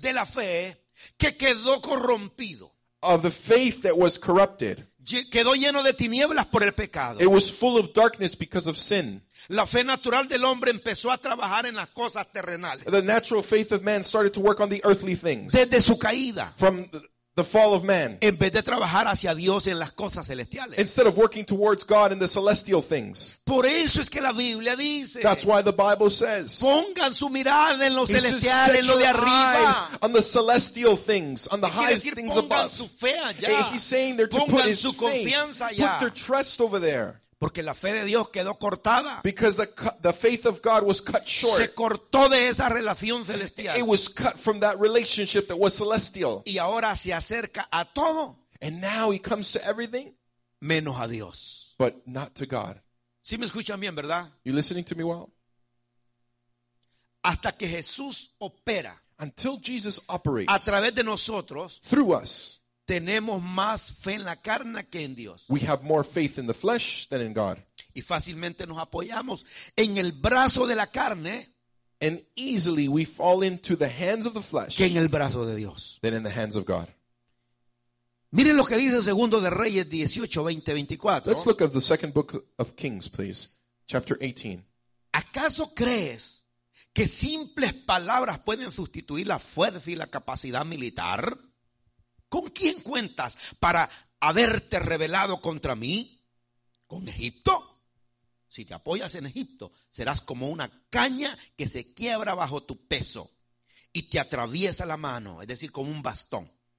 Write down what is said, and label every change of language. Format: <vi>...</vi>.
<es>de la fe que quedó corrompido.</es> <en>Of the faith that was corrupted.</en> <es>Quedó lleno de tinieblas por el pecado.</es> <en>It was full of darkness because of sin.</en> <es>La fe natural del hombre empezó a trabajar en las cosas terrenales.</es> <en>The natural faith of man started to work on the earthly things.</en> <es>Desde su caída.</es> <en>From the fall of man.</en> <es>En vez de trabajar hacia Dios en las cosas celestiales.</es> <en>Instead of working towards God in the celestial things.</en> <es>Por eso es que la Biblia dice.</es> <en>That's why the Bible says.</en> <es>Pongan su mirada en lo celestial, en lo de arriba.</es> <en>On the celestial things, on the highest things above.</en> <es>Pongan su fe allá.</es> <en>He's saying they're to</en> <es>pongan</es> <en>put his</en> <es>su confianza</es> <en>faith,</en> <es>allá.</es> <en>Put their trust over there.</en> <es>Porque la fe de Dios quedó cortada.</es> <en>Because the faith of God was cut short.</en> <es>Se cortó de esa relación celestial.</es> <en>It was cut from that relationship that was celestial.</en> <es>Y ahora se acerca a todo.</es> <en>And now he comes to everything.</en> <es>Menos a Dios.</es> <en>But not to God.</en> <es>¿Sí me escuchan bien, verdad?</es> <en>You listening to me well?</en> <es>Hasta que Jesús opera.</es> <en>Until Jesus operates.</en> <es>A través de nosotros.</es> <en>Through us.</en> <es>Tenemos más fe en la carne que en Dios.</es> <en>We have more faith in the flesh than in God.</en> <es>Y fácilmente nos apoyamos en el brazo de la carne.</es> <en>And easily we fall into the hands of the flesh.</en> <es>Que en el brazo de Dios.</es> <en>Than in the hands of God.</en> <es>Miren lo que dice Segundo de Reyes 18:20-24.</es> <en>Let's look at the second book of Kings, please. Chapter 18.</en> <es>¿Acaso crees que simples palabras pueden sustituir la fuerza y la capacidad militar? ¿Con quién cuentas para haberte rebelado contra mí? ¿Con Egipto? Si te apoyas en Egipto, serás como una caña que se quiebra bajo tu peso y te atraviesa la mano, es decir, como un bastón.</es>